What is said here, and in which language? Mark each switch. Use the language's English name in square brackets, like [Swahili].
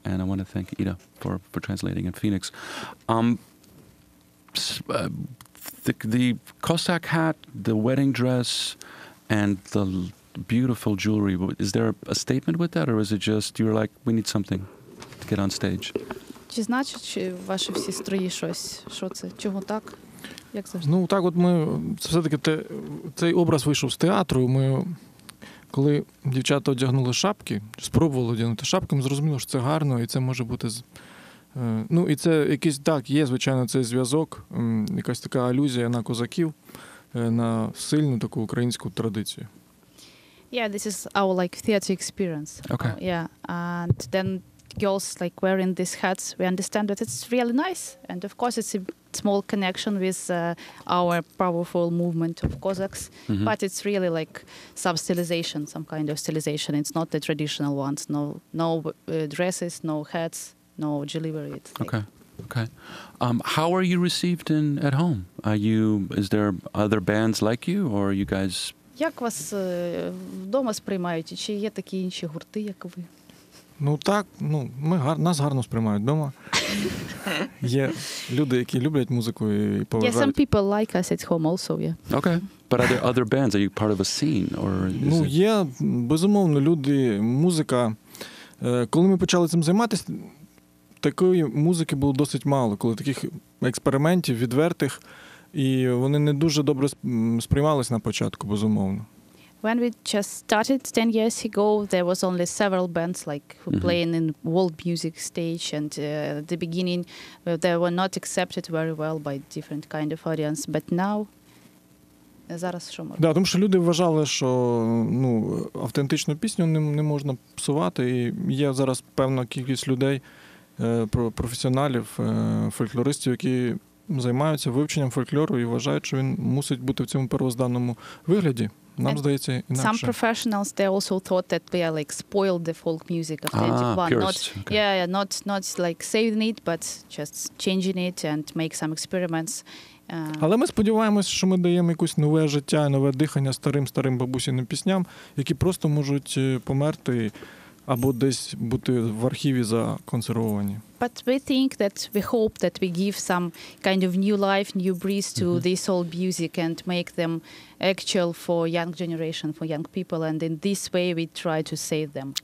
[English] And I want to thank Ida for translating in Phoenix. The Cossack hat, the wedding dress, and the beautiful jewelry. Is there a statement with that, or is it just you're like, we need something to get on stage? [Ukrainian] Чи значить, чи ваші всі строї щось? Що це? Чого так? Як завжди? Ну, так от ми... Це все-таки цей образ вийшов з театру. Ми... Коли дівчата одягнули шапки, спробували одягнути шапки, ми зрозуміли, що це гарно, і це може бути... Ну, і це якийсь, так, є, звичайно, цей зв'язок, якась така алюзія на козаків, на сильну таку українську традицію. [English] Yeah, this is our, like, theater experience. Okay. Yeah, and then girls, like, wearing these hats, we understand that it's really nice, and of course it's a small connection with our powerful movement of Cossacks, mm-hmm. but it's really like some stylization, some kind of stylization. It's not the traditional ones. No dresses, no hats, no jewelry. Okay. How are you received in at home? Is there other bands like you, or are you guys? [Ukrainian] Як вас вдома сприймають? Чи є такі інші гурти, як ви? Ну так, ну ми нас гарно сприймають вдома. Є люди, які люблять музику і поважають. [English] Yeah, some people like us at home also, yeah. Okay. But are there other bands? Are you part of a scene or is [Ukrainian] Ну, [English] it... [Ukrainian] є, безумовно, люди, музика. Коли ми почали цим займатися, такої музики було досить мало, коли таких експериментів відвертих, і вони не дуже добре сприймались на початку, безумовно. [English] When we just started 10 years ago, there was only several bands like who mm-hmm. playing in world music stage, and at the beginning they were not accepted very well by different kind of audience. But now, [Ukrainian] зараз що можна? Да, тому що люди вважали, що ну автентичну пісню не можна псувати, і є зараз певна кількість людей, професіоналів, фольклористів, які займаються вивченням фольклору і вважають, що він мусить бути в цьому первозданному вигляді. Нам здається, інакше. [English] Some professionals they also thought that we are like spoiled the folk music of 91. Not okay. Yeah, not like saving it, but just changing it and make some experiments. [Ukrainian] Але ми сподіваємось, що ми даємо якусь нове життя, нове дихання старим бабусиним пісням, які просто можуть померти або десь бути в архіві законсервовані. [English] But we think that we hope that we give some kind of new life, new breeze to mm-hmm. this old music and make them actual for young generation, for young people. And in this way, we try to save them.